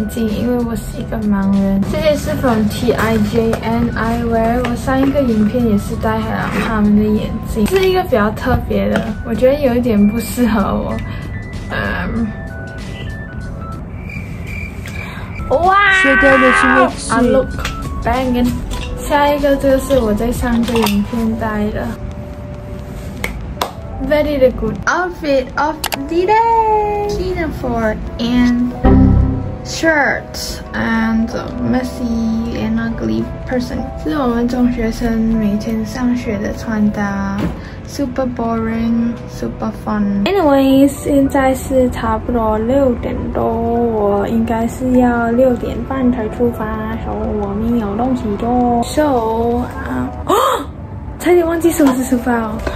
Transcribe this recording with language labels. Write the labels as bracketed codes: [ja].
[zh] 需要戴眼镜，因为我是一个盲人。这件是 [en] from TIJNI Wear。 [zh] 我上一个影片也是戴了他们的眼镜，是一个比较特别的，我觉得有一点不适合我。哇！缺掉的是位置。 [en] I look banging。 [zh] 下一个就是我在上个影片戴的。 [en] Very good outfit of the day. Pinafore and shirt and messy and ugly person. [zh] 是我们中学生每天上学的穿搭. [en] Super boring, super fun. Anyways, [zh] 现在是差不多六点多，我应该是要六点半才出发，所以我没有东西做. [en] So, [zh] 差点忘记收拾书包.